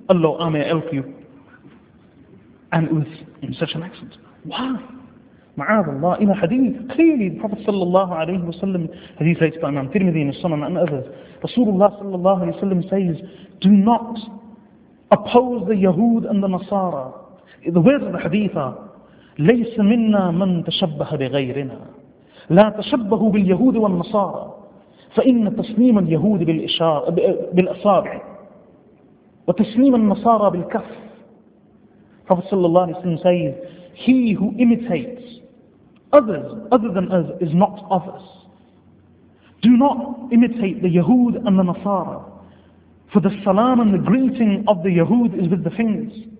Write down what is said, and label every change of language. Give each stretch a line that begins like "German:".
English: Allah, I may help you. And it was in such an accent. Why? Ma'ad Allah, in a hadith, clearly the Prophet sallallahu alayhi wa sallam, hadith related by Imam Tirmidhi and Sunan and others, Rasulullah sallallahu alayhi wa sallam says, do not oppose the Yahud and the Nasara. The words of the hadith are,
Arabic: لَيْسَ مِنَّا مَنْ تَشَبَّهَ بِغَيْرِنَا لَا تَشَبَّهُ بِالْيَهُودِ وَالنَّصَارَى فَإِنَّ تَسْلِيمَ الْيَهُودِ بِالْأَصَابِعِ وَتَسْلِيمَ النَّصَارَى بِالْكَفِ.
English: Prophet sallallahu alayhi wa sallam says, he who imitates others other than us is not of us. Do not imitate the Yahud and the Nasara. For the salam and the greeting of the Yahud is with the fingers.